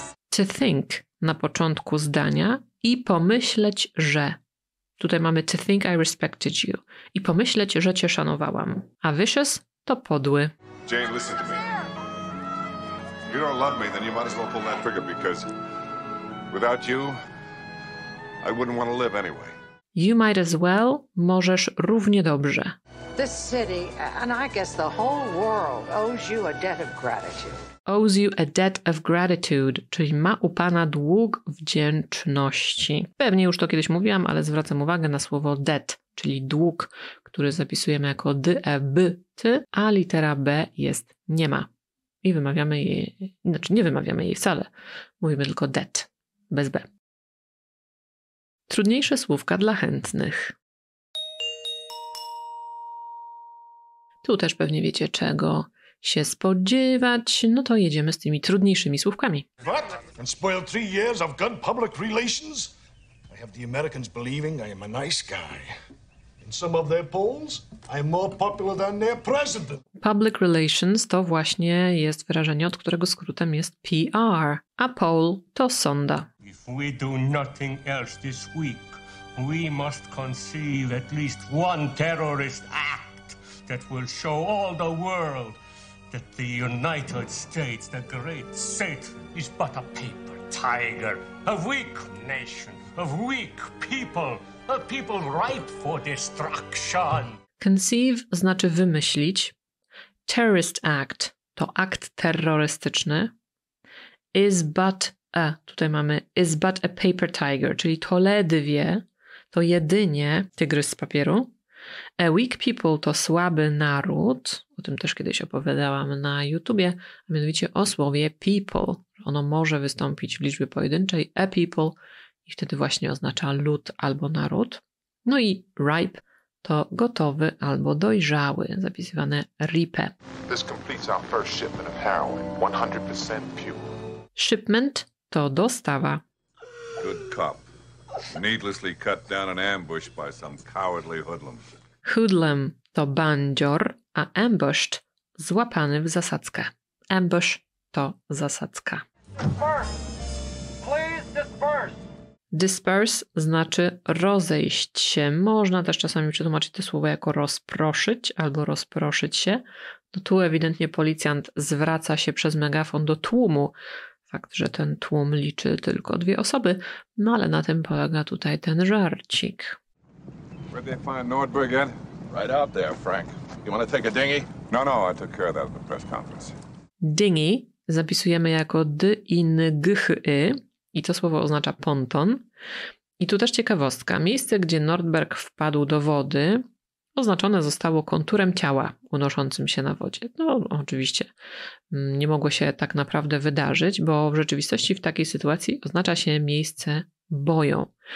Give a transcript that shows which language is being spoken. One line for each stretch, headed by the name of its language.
English: To think
Polish: na początku zdania i pomyśleć, że. Tutaj mamy
English: to think I respected you.
Polish: I pomyśleć, że cię szanowałam. A vicious to podły.
English: Jane, listen to me. If you don't love me, then you might as well pull that trigger, because without you, I wouldn't want to live anyway. You might as well,
Polish: możesz równie dobrze.
English: This city, and I guess the whole world, owes you a debt of gratitude. Owes you a debt of gratitude,
Polish: czyli ma u pana dług wdzięczności. Pewnie już to kiedyś mówiłam, ale zwracam uwagę na słowo debt, czyli dług, który zapisujemy jako debt, a litera B jest nie ma. I wymawiamy jej, znaczy nie wymawiamy jej wcale. Mówimy tylko debt, bez B. Trudniejsze słówka dla chętnych. Tu też pewnie wiecie, czego się spodziewać. No to jedziemy z tymi trudniejszymi słówkami.
English: What? And spoil 3 years of good public relations? I have the Americans believing I am a nice guy. In some of their polls, I'm more popular than their president. Public relations
Polish: to właśnie jest wyrażenie, od którego skrótem jest PR. A poll to sonda.
English: If we do nothing else this week, we must conceive at least one terrorist act that will show all the world that the United States, the great Satan, is but a paper tiger, a weak nation, a weak people, a people ripe for destruction.
Polish: Conceive znaczy wymyślić.
English: Terrorist act
Polish: to akt terrorystyczny. Is but a, tutaj mamy
English: is but a paper tiger,
Polish: czyli to ledwie, to jedynie tygrys z papieru.
English: A weak people
Polish: to słaby naród, o tym też kiedyś opowiadałam na YouTubie, a mianowicie o słowie people. Ono może wystąpić w liczbie pojedynczej,
English: a people,
Polish: i wtedy właśnie oznacza lud albo naród. No i ripe to gotowy albo dojrzały, zapisywane ripe.
English: This completes our first shipment of heroin, 100% pure.
Polish: Shipment to dostawa.
English: Good cop. Needlessly cut down an ambush by some cowardly hoodlum.
Polish: Hoodlum to bandzior, a ambushed złapany w zasadzkę. Ambush to zasadzka.
English: Disperse! Please disperse!
Polish: Disperse znaczy rozejść się. Można też czasami przetłumaczyć to słowo jako rozproszyć albo rozproszyć się. No tu ewidentnie policjant zwraca się przez megafon do tłumu. Fakt, że ten tłum liczy tylko 2 osoby, no ale na tym polega tutaj ten żarcik.
English: Where'd they find Nordberg at? Right out there, Frank. You want to take a dinghy? No, I took care of that at the press conference.
Polish: Dinghy zapisujemy jako d-i-n-g-h-y i to słowo oznacza ponton. I tu też ciekawostka. Miejsce, gdzie Nordberg wpadł do wody, oznaczone zostało konturem ciała unoszącym się na wodzie. No oczywiście nie mogło się tak naprawdę wydarzyć, bo w rzeczywistości w takiej sytuacji oznacza się miejsce boją.